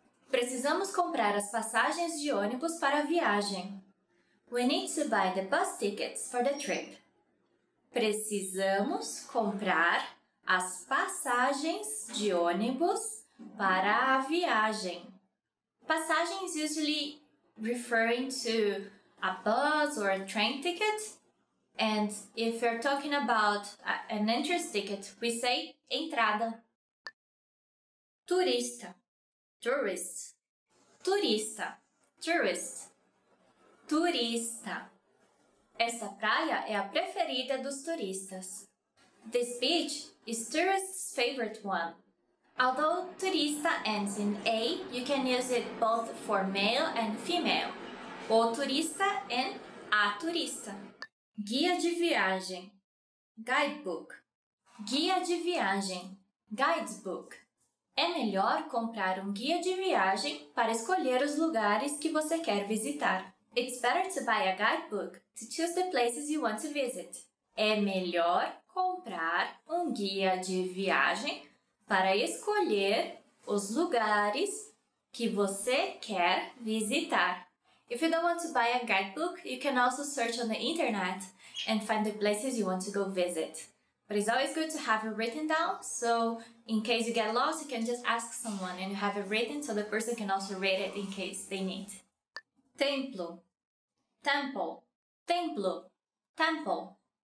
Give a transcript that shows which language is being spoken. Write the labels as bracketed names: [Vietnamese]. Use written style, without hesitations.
[Portuguese] Precisamos comprar as passagens de ônibus para a viagem. [English] We need to buy the bus tickets for the trip. [Portuguese] Precisamos comprar as passagens de ônibus para a viagem. [English] Passagens usually referring to a bus or a train ticket. And if you're talking about an entrance ticket, we say entrada. [Portuguese] Turista. Tourist. Turista. Tourist. Turista. Essa praia é a preferida dos turistas. [English] This beach is tourist's favorite one. Although turista ends in A, you can use it both for male and female. [Portuguese] O turista [English] and [Portuguese] a turista. Guia de viagem. Guidebook. Guia de viagem. Guidebook. É melhor comprar guia de viagem para escolher os lugares que você quer visitar. [English] It's better to buy a guidebook to choose the places you want to visit. [Portuguese] É melhor comprar guia de viagem para escolher os lugares que você quer visitar. [English] If you don't want to buy a guidebook, you can also search on the internet and find the places you want to go visit. But it's always good to have it written down, so in case you get lost, you can just ask someone and have it written so the person can also read it in case they need. [Portuguese] Templo. Temple. Templo. Temple.